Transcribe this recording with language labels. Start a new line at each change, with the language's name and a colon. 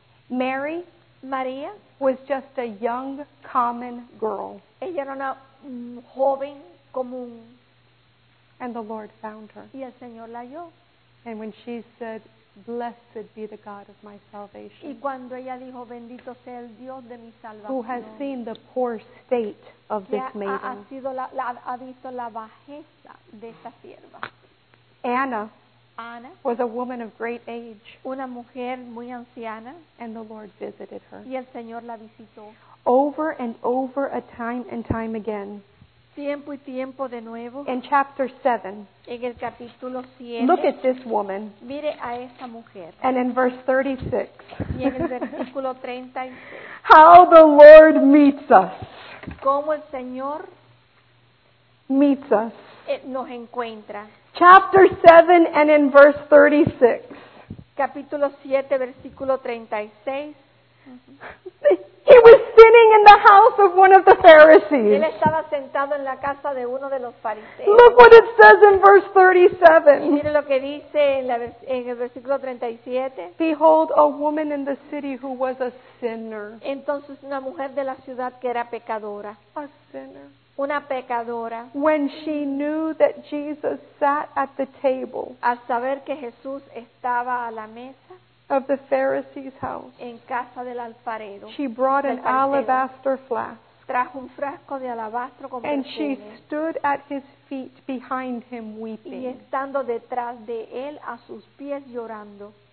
English: Mary
Spanish: María
English: was just a young, common girl.
Spanish: Ella era una joven común.
English: And the Lord found her.
Spanish: Y el Señor la halló.
English: And when she said, "Blessed be the God of my salvation."
Spanish: Y cuando ella dijo, "Bendito sea el Dios de mi salvación."
English: Who has seen the poor state of this maiden?
Spanish: Ha sido ha visto la bajeza de esta sierva.
English: Anna was a woman of great age.
Spanish: Una mujer muy anciana.
English: And the Lord visited her.
Spanish: Y el Señor la visitó.
English: Over and over, a time and time again.
Spanish: Tiempo y tiempo de nuevo.
English: In chapter 7.
Spanish: En el capítulo 7.
English: Look at this woman.
Spanish: Mire a esta mujer.
English: And in verse 36.
Spanish: Y en el versículo 36.
English: How the Lord meets us.
Spanish: Cómo el Señor
English: meets us.
Spanish: Nos encuentra.
English: Chapter 7 and in verse 36.
Spanish: Capítulo 7, versículo 36.
English: He was sitting in the house of one of the Pharisees.
Spanish: Él estaba sentado en la casa de uno de los fariseos.
English: Look what it says in verse 37.
Spanish: Y mire lo que dice en el versículo 37.
English: Behold, a woman in the city who was a sinner.
Spanish: Entonces una mujer de la ciudad que era pecadora.
English: A sinner.
Spanish: Una pecadora.
English: When she knew that Jesus sat at the table.
Spanish: Al saber que Jesús estaba a la mesa.
English: Of the Pharisee's house.
Spanish: En casa del alfarero.
English: She brought an alabaster flask.
Spanish: Trajo un frasco de alabastro con
English: perfume. She stood at his feet behind him weeping.
Spanish: Y estando detrás de él a sus pies llorando.